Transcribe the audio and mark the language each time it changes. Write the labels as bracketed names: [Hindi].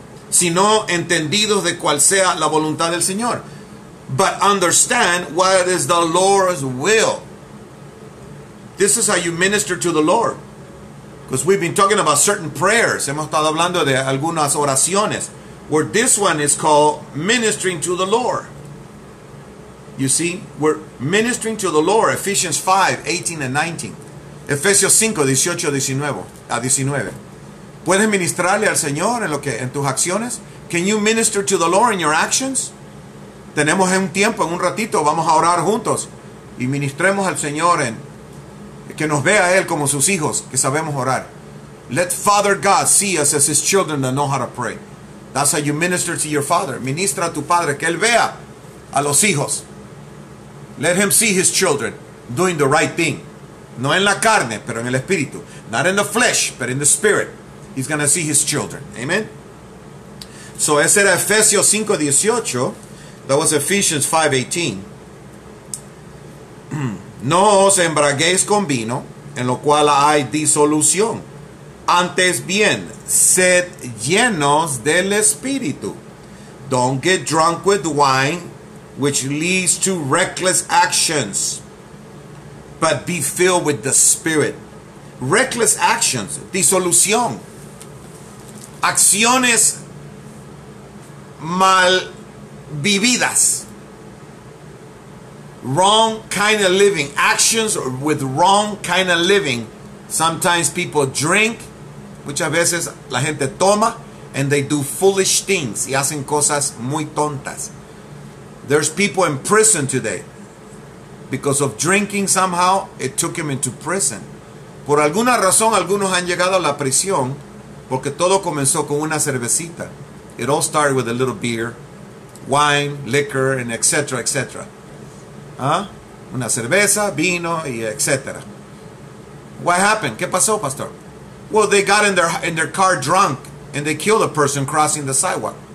[Spanish] Sino entendidos de cuál sea la voluntad del Señor. [English] But understand what is the Lord's will. This is how you minister to the Lord. Because we've been talking about certain prayers. [Spanish] Hemos estado hablando de algunas oraciones. [English] Where this one is called ministering to the Lord. You see, we're ministering to the Lord. Ephesians 5:18-19. [Spanish] Ephesians 5:18-19. ¿Puedes ministrarle al Señor en tus acciones? [English] Can you minister to the Lord in your actions? [Spanish] Tenemos un tiempo, en un ratito, vamos a orar juntos. Y ministremos al Señor en que nos vea a Él como sus hijos, que sabemos orar. [English] Let Father God see us as His children that know how to pray. That's how you minister to your Father. [Spanish] Ministra a tu Padre, que Él vea a los hijos. [English] Let Him see His children doing the right thing. [Spanish] No en la carne, pero en el espíritu. [English] Not in the flesh, but in the spirit. He's going to see his children. Amen. So, [Spanish] ese era Efesios 5:18. [English] That was Ephesians 5:18. [Spanish] No os embraguéis con vino, en lo cual hay disolución. Antes bien, sed llenos del Espíritu. [English] Don't get drunk with wine, which leads to reckless actions. But be filled with the Spirit. Reckless actions. Disolución. [Spanish] Acciones mal vividas. [English] Wrong kind of living. Actions with wrong kind of living. Sometimes people drink. [Spanish] Muchas veces la gente toma. [English] And they do foolish things. [Spanish] Y hacen cosas muy tontas. [English] There's people in prison today. Because of drinking somehow, it took him into prison. [Spanish] Por alguna razón, algunos han llegado a la prisión. Porque todo comenzó con una cervecita. [English] It all started with a little beer, wine, liquor, and etc., etc. [Spanish] ¿Ah? Una cerveza, vino, y etc. [English] What happened? [Spanish] ¿Qué pasó, pastor? [English] Well, they got in their car drunk, and they killed a person crossing the sidewalk.